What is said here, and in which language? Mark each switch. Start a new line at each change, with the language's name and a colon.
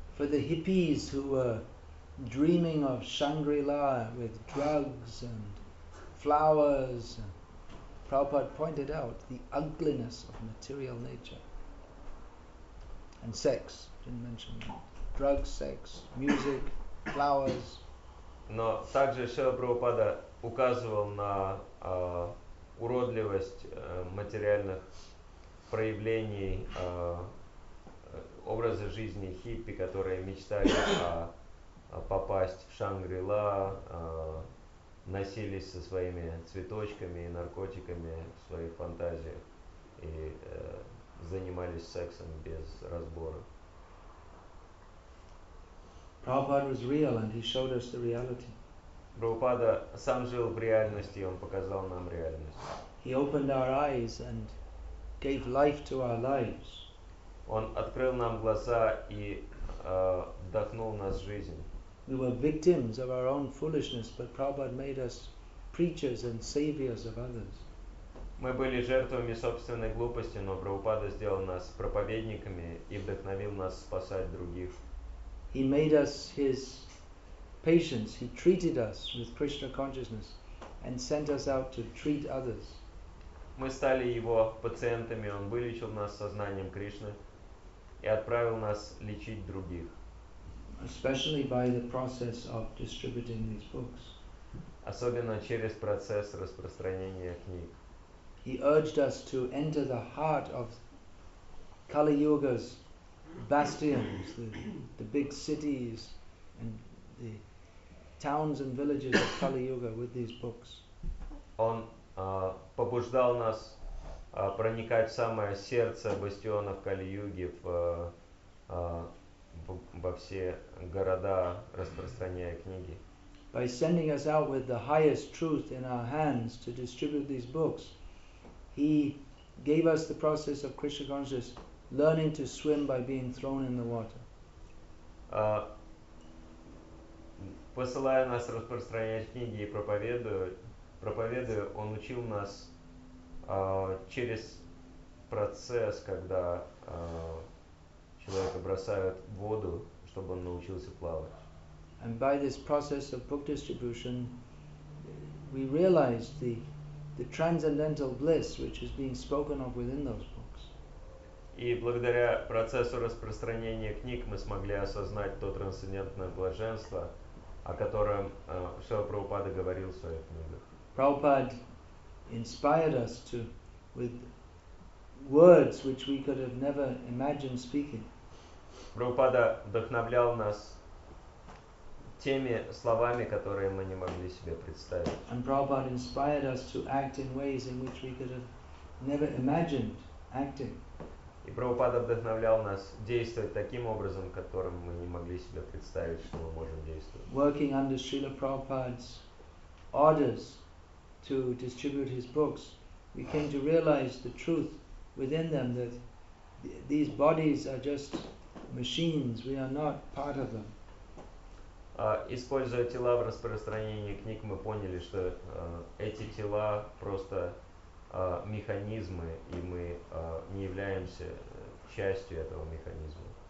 English: For the hippies who were dreaming of Shangri-La with drugs and flowers, Prabhupada pointed out the ugliness of material nature and sex. Didn't mention that. Drugs, sex, music, flowers.
Russian: Но также Шрила Прабхупада указывал на уродливость материальных проявлений образа жизни хиппи, которые мечтали попасть в Шангри-Ла, носились со своими цветочками и наркотиками в своих фантазиях и занимались сексом без разбора.
English: Prabhupada was real and he showed us the reality.
Russian: Прабхупада сам жил в реальности, и он показал нам реальность.
English: He opened our eyes and gave life to our lives.
Russian: Он открыл нам глаза и вдохнул в нас жизнь.
English: We were victims of our own foolishness, but Prabhupada made us preachers and saviors of others.
Russian: Мы были жертвами собственной глупости, но Прабхупада сделал нас проповедниками и вдохновил нас спасать других.
English: He made us his patients. He treated us with Krishna consciousness and sent us out to treat others.
Russian: Мы стали его пациентами. Он вылечил нас сознанием Кришны и отправил нас лечить других.
English: Especially by the process of distributing these books.
Russian: Особенно через процесс распространения книг.
English: He urged us to enter the heart of Kali Yuga's bastions, the big cities and the towns and villages of Kali Yuga with these books.
Russian: Он побуждал нас проникать в самое сердце бастионов Кали Юги во все города, распространяя книги.
English: By sending us out with the highest truth in our hands to distribute these books, he gave us the process of Krishna consciousness, learning to swim by being thrown in the water.
Russian: Посылая нас распространять книги и проповедуя, он учил нас через процесс, когда человека бросают в воду, чтобы он научился плавать.
English: And by this process of book distribution, we realized the transcendental bliss which is being spoken of within those books.
Russian: И благодаря процессу распространения книг мы смогли осознать то трансцендентное блаженство, о котором Шрила Прабхупада говорил в своих книгах.
English: Prabhupada inspired us to with words which we could have never imagined speaking.
Russian: Прабхупада вдохновлял нас теми словами, которые мы не могли себе представить.
English: And Prabhupada inspired us to act in ways in which we could have never imagined acting.
Russian: И Прабхупада вдохновлял нас действовать таким образом, которым мы не могли себе представить, что мы можем действовать.
English: Working under Srila Prabhupada's orders to distribute his books, we came to realize the truth within them that these bodies are just machines, we are not part of them.
Russian: Используя тела в распространении книг, мы поняли, что эти тела просто механизмы, и мы не являемся частью этого механизма.